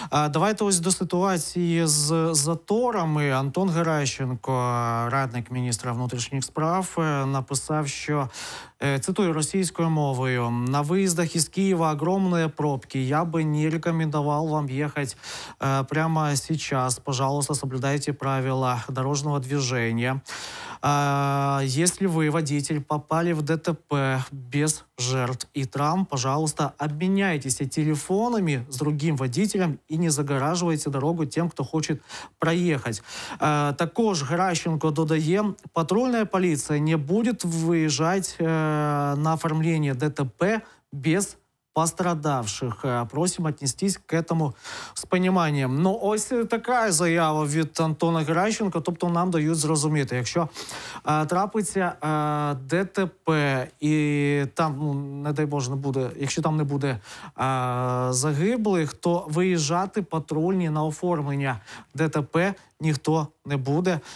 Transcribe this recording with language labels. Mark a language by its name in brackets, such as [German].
[Ukrainian] Давайте ось до ситуації з заторами. Антон Геращенко, радник міністра внутрішніх справ, написав, що, цитую російською мовою, на виїздах із Києва огромні пробки. Я би не рекомендував вам їхати [Russian] прямо сейчас. Пожалуйста, соблюдайте правила дорожного движения. Если вы, водитель, попали в ДТП без жертв и травм, пожалуйста, обменяйтесь телефонами с другим водителем и не загораживайте дорогу тем, кто хочет проехать. [Ukrainian] Також Гращенко додає, [Russian] патрульная полиция не будет выезжать на оформление ДТП без пострадавших. [Ukrainian] Просимо [Russian] отнестись к этому з пониманием. [Ukrainian] Ну, ось така заява від Антона Геращенка. Тобто нам дають зрозуміти, якщо трапиться ДТП і там, ну, не дай Боже, не буде, якщо там не буде загиблих, то виїжджати патрульні на оформлення ДТП ніхто не буде.